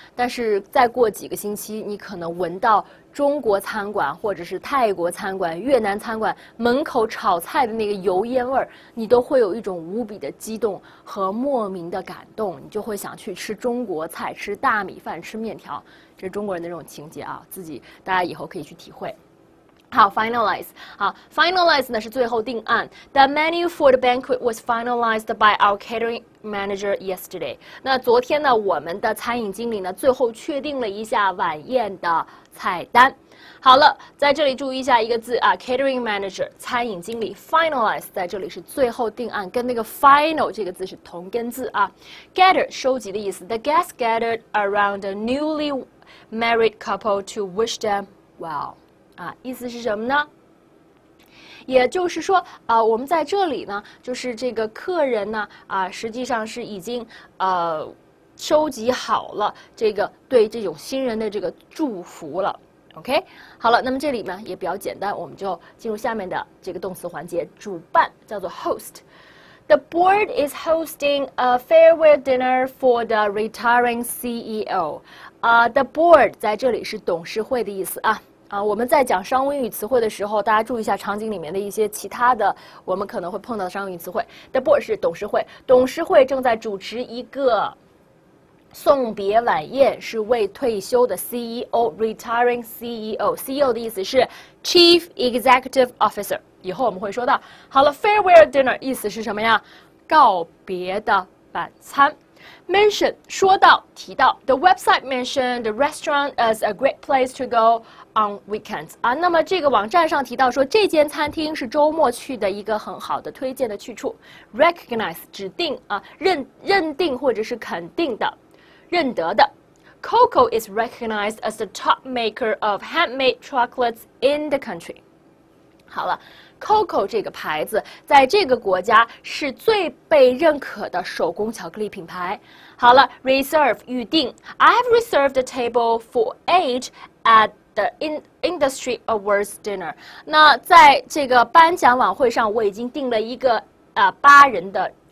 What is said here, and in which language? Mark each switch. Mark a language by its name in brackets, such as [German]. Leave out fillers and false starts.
[Chinese] 但是再过几个星期，你可能闻到中国餐馆或者是泰国餐馆、越南餐馆门口炒菜的那个油烟味儿，你都会有一种无比的激动和莫名的感动，你就会想去吃中国菜、吃大米饭、吃面条，这是中国人的这种情节啊，自己大家以后可以去体会。好 ，finalize， 好 ，finalize 呢是最后定案。 [English] The menu for the banquet was finalized by our catering manager yesterday。 [Chinese] 那昨天呢，我们的餐饮经理呢最后确定了一下晚宴的菜单。好了，在这里注意一下一个字啊 ，catering manager， 餐饮经理 ，finalize 在这里是最后定案，跟那个 final 这个字是同根字啊。 [English] Gather [Chinese] 收集的意思。 [English] The guests gathered around a newly married couple to wish them well。 [Chinese] 啊，意思是什么呢？也就是说，我们在这里呢，就是这个客人呢，实际上是已经收集好了这个对这种新人的这个祝福了。 OK， 好了，那么这里呢也比较简单，我们就进入下面的这个动词环节，主办叫做 host。 [English] The board is hosting a farewell dinner for the retiring CEO。 [Chinese] The board 在这里是董事会的意思啊。我们在讲商务英语词汇的时候，大家注意一下场景里面的一些其他的我们可能会碰到的商务英语词汇。 The board 是董事会，董事会正在主持一个送别晚宴，是为退休的 CEO retiring CEO。 CEO 的意思是 Chief Executive Officer， 以后我们会说到。好了 ，farewell dinner 意思是什么呀？告别的晚餐。 Mention 说到提到 ， [English] the website mentioned the restaurant as a great place to go on weekends [Chinese] 啊，那么这个网站上提到说这间餐厅是周末去的一个很好的推荐的去处。 Recognize 指定啊，认定或者是肯定的，认得的。 [English] Coco is recognized as the top maker of handmade chocolates in the country。 [Chinese] 好了。 Coco 这个牌子在这个国家是最被认可的手工巧克力品牌。 [English] 好了 ，reserve 预定 ，I have reserved a table for 8 at the industry awards dinner。 [Chinese] 那在这个颁奖晚会上，我已经订了一个八人的。